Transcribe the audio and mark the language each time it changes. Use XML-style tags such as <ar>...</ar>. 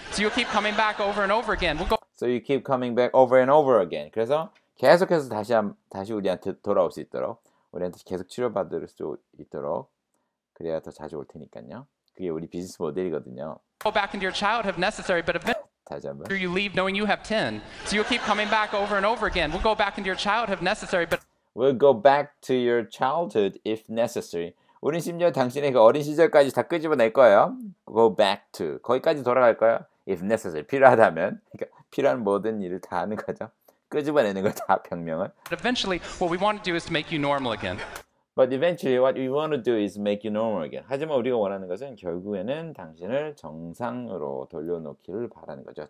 <en>So you keep coming back over and over again we'll go- So you keep coming back over and over again.</en> <ko>그래서 계속해서 다시 우리한테 돌아올 수 있도록 우리한테 계속 치료받을 수 있도록 그래야 더 자주 올 테니까요. 그게 우리 비즈니스 모델이거든요.</ko> <en>Go back into your childhood if necessary, but eventually</en> <ko>다시 한번</ko> <en>Do you leave knowing you have 10? So you'll keep coming back over and over again. We'll go back into your childhood if necessary, but We'll go back to your childhood if necessary.</en> <ko>우린 심지어 당신의 그 어린 시절까지 다 끄집어낼 거예요.</ko> <en>Go back to</en> <ko>거기까지 돌아갈 거예요.</ko> <en>If necessary</en> <ko>필요하다면 그러니까 필요한 모든 일을 다 하는 거죠. 끄집어내는 걸 다 병명을.</ko> <en>But eventually, what we want to do is to make you normal again. But eventually, what we want to do is make you normal again.</en> <ko>하지만 우리가 원하는 것은 결국에는 당신을 정상으로 돌려놓기를 바라는 거죠.</ko>